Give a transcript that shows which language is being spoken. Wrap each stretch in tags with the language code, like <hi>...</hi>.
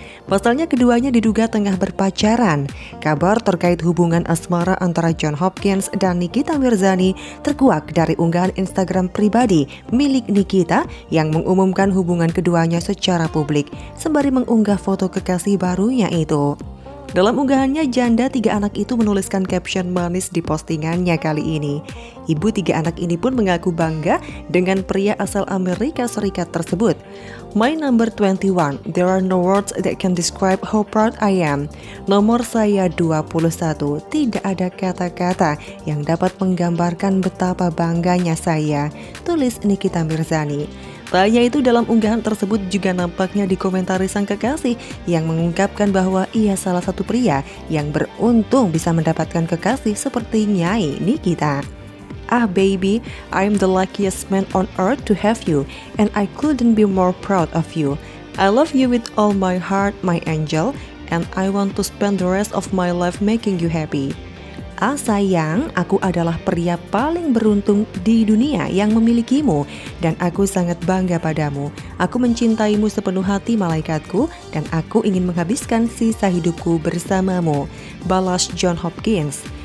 <id>Pasalnya keduanya diduga tengah berpacaran. Kabar terkait hubungan asmara antara John Hopkins dan Nikita Mirzani terkuak dari unggahan Instagram pribadi milik Nikita yang mengumumkan hubungan keduanya secara publik sembari mengunggah foto kekasih barunya itu. Dalam unggahannya, janda tiga anak itu menuliskan caption manis di postingannya kali ini. Ibu tiga anak ini pun mengaku bangga dengan pria asal Amerika Serikat tersebut.</id> <en>My number 21, there are no words that can describe how proud I am.</en> <id>Nomor saya 21, tidak ada kata-kata yang dapat menggambarkan betapa bangganya saya, tulis Nikita Mirzani. Tak hanya itu, dalam unggahan tersebut juga nampaknya dikomentari sang kekasih yang mengungkapkan bahwa ia salah satu pria yang beruntung bisa mendapatkan kekasih seperti Nyai Nikita.</id> <en>Ah baby, I'm the luckiest man on earth to have you and I couldn't be more proud of you. I love you with all my heart, my angel, and I want to spend the rest of my life making you happy.</en> <id>Ah sayang, aku adalah pria paling beruntung di dunia yang memilikimu dan aku sangat bangga padamu. Aku mencintaimu sepenuh hati malaikatku dan aku ingin menghabiskan sisa hidupku bersamamu, balas John Hopkins.</id>